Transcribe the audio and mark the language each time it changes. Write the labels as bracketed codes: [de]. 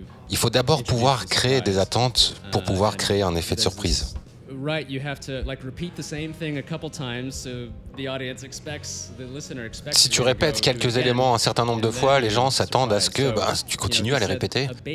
[fr] Il faut d'abord pouvoir créer des attentes pour pouvoir créer un effet de surprise. [en] Right, you have to like repeat the same thing a couple times so the audience expects, the listener expects. [fr] Si tu répètes quelques éléments un certain nombre de fois, les gens s'attendent à ce que tu continues à les répéter.